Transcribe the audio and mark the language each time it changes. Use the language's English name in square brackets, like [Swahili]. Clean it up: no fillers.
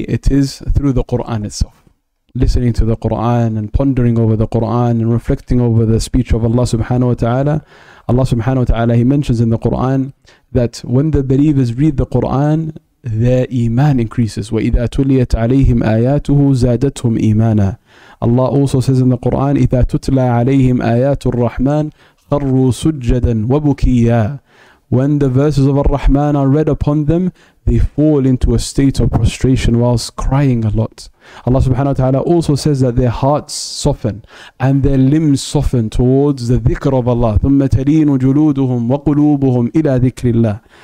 [English] It is through the Quran itself. Listening to the Quran and pondering over the Quran and reflecting over the speech of Allah subhanahu wa ta'ala. Allah subhanahu wa ta'ala, he mentions in the Quran that when the believers read the Quran, their iman increases. [Arabic] وَإِذَا تُلِيَتْ عَلَيْهِمْ آيَاتُهُ زَادَتْهُمْ إِيمَانًا. [English] Allah also says in the Quran, [Arabic] إِذَا تُتْلَى عَلَيْهِمْ آيَاتُ الرَّحْمَانِ خَرُّوا سُجَّدًا وَبُكِيًّا. [English] When the verses of Ar-Rahman are read upon them, they fall into a state of prostration whilst crying a lot. Allah subhanahu wa ta'ala also says that their hearts soften and their limbs soften towards the dhikr of Allah. [Arabic] ثُمَّ تَلِينُ جُلُودُهُمْ وَقُلُوبُهُمْ إِلَى ذِكْرِ اللَّهِ.